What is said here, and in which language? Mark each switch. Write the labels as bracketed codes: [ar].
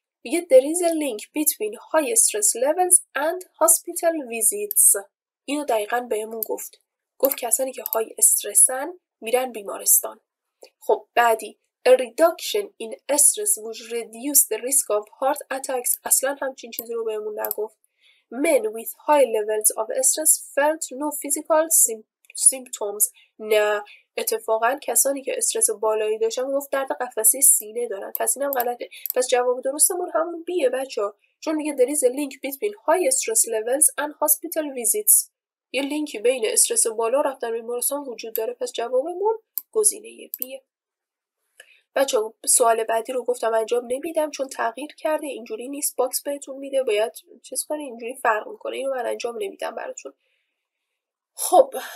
[fa] میگه [en] there is a link between high stress levels and hospital visits. [fa] اینو دقیقا بهمون گفت. گفت کسانی که های استرسن میرن بیمارستان. خب بعدی [en] a reduction in stress would reduce the risk of heart attacks. [fa] اصلا همچین چیزی رو بهمون نگفت. [en] Men with high levels of stress felt no physical symptoms. [fa] نه اتفاقا کسانی که استرس بالایی داشتن گفت درد قفسه سینه دارن. پس اینم غلطه. پس جواب درستمون همون بیه بچه ها. چون میگه [en] there is a link between high stress levels and hospital visits. [fa] یه لینکی بین استرس بالا رفتن بیمارستان وجود داره. پس جوابمون گزینه بیه. بچه سوال بعدی رو گفتم انجام نمیدم چون تغییر کرده. اینجوری نیست. باکس بهتون میده. باید چیز کنه اینجوری فرق میکنه. اینو من انجام نمیدم براتون. خب.